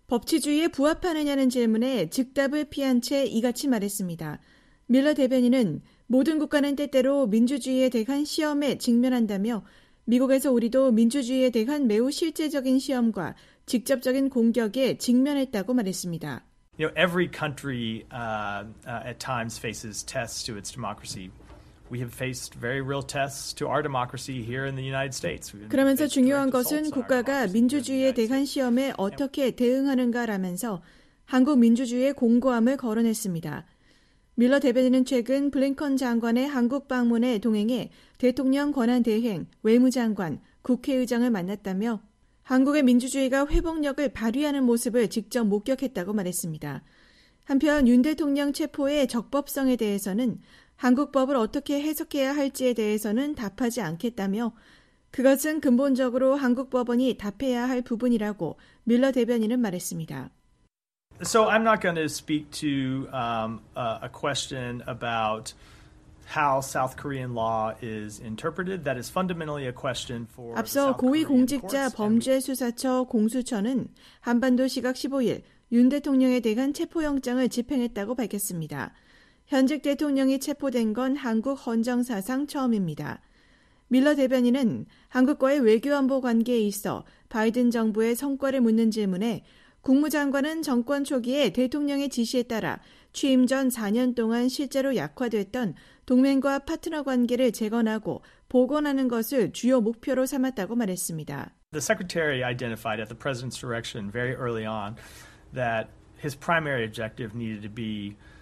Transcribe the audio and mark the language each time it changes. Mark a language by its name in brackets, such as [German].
[Korean] 법치주의에 부합하느냐는 질문에 즉답을 피한 채 이같이 말했습니다. 밀러 대변인은 모든 국가는 때때로 민주주의에 대한 시험에 직면한다며 미국에서 우리도 민주주의에 대한 매우 실제적인 시험과 직접적인 공격에 직면했다고 말했습니다. [English] You know, every country at times faces tests to its democracy. We have faced very real tests to our democracy here in the United States. [Korean] 그러면서 중요한 것은 국가가 민주주의에 대한 시험에 어떻게 대응하는가라면서 한국 민주주의의 공고함을 거론했습니다. 밀러 대변인은 최근 블링컨 장관의 한국 방문에 동행해 대통령 권한대행, 외무장관, 국회의장을 만났다며 한국의 민주주의가 회복력을 발휘하는 모습을 직접 목격했다고 말했습니다. 한편 윤 대통령 체포의 적법성에 대해서는 한국법을 어떻게 해석해야 할지에 대해서는 답하지 않겠다며 그것은 근본적으로 한국 법원이 답해야 할 부분이라고 밀러 대변인은 말했습니다. [English] So I'm not going to speak to a question about how South Korean law is interpreted. That is fundamentally a question for. [Korean] 앞서 고위 공직자 범죄 수사처 공수처는 한반도 시각 15일 윤 대통령에 대한 체포 영장을 집행했다고 밝혔습니다. 현직 대통령이 체포된 건 한국 헌정사상 처음입니다. 밀러 대변인은 한국과의 외교안보 관계에 있어 바이든 정부의 성과를 묻는 질문에 국무장관은 정권 초기에 대통령의 지시에 따라 취임 전 4년 동안 실제로 약화됐던 동맹과 파트너 관계를 재건하고 복원하는 것을 주요 목표로 삼았다고 말했습니다. [English] The Secretary identified at the President's direction very early on that his primary objective needed to be